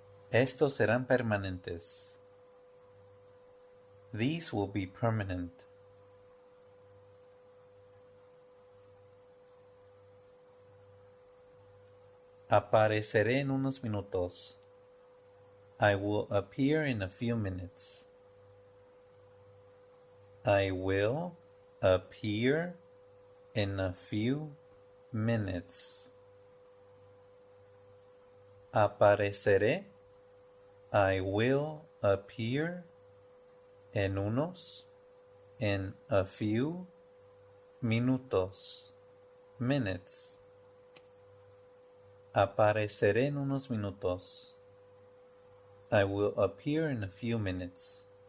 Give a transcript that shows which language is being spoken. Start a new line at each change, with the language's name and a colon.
Spanish: Estos serán permanentes.
English: These will be permanent.
Spanish: Apareceré en unos minutos.
English: I will appear in a few minutes. I will appear in a few minutes.
Spanish: Apareceré.
English: I will appear
Spanish: en unos,
English: in a few,
Spanish: minutos,
English: minutes.
Spanish: Apareceré en unos minutos.
English: I will appear in a few minutes.